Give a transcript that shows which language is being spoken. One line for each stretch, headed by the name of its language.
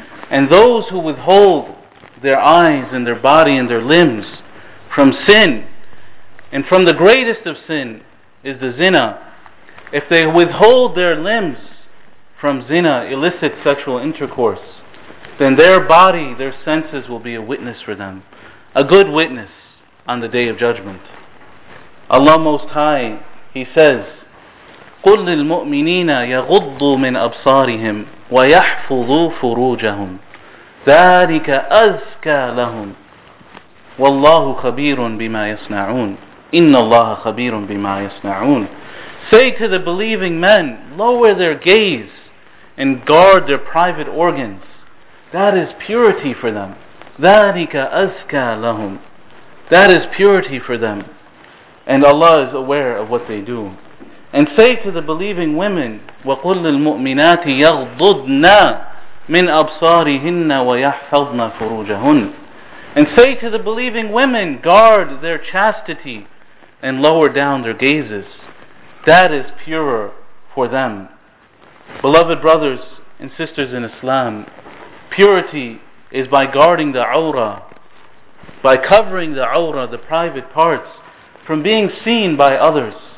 English: And those who withhold their eyes and their body and their limbs from sin, and from the greatest of sin is the zina, if they withhold their limbs from zina, illicit sexual intercourse, then their body, their senses will be a witness for them, a good witness on the Day of Judgment. Allah Most High, He says,
Arabic: قُلْ لِلْمُؤْمِنِينَ يَغُضُّوا مِنْ أَبْصَارِهِمْ وَيَحْفُظُوا فُرُوجَهُمْ ذَٰلِكَ أَزْكَى لَهُمْ وَاللَّهُ خَبِيرٌ بِمَا يَصْنَعُونَ إِنَّ اللَّهَ خَبِيرٌ بِمَا يَصْنَعُونَ.
English: Say to the believing men, lower their gaze and guard their private organs. That is purity for them.
Arabic: ذَٰلِكَ أَزْكَى لَهُمْ.
English: That is purity for them. And Allah is aware of what they do. And say to the believing women,
Arabic: وَقُلْ لِلْمُؤْمِنَاتِ يَغْضُضْنَا مِنْ أَبْصَارِهِنَّ وَيَحْفَظْنَا فُرُوجَهُنَّ.
English: And say to the believing women, guard their chastity and lower down their gazes. That is purer for them. Beloved brothers and sisters in Islam, purity is by guarding the awra, by covering the awra, the private parts, from being seen by others.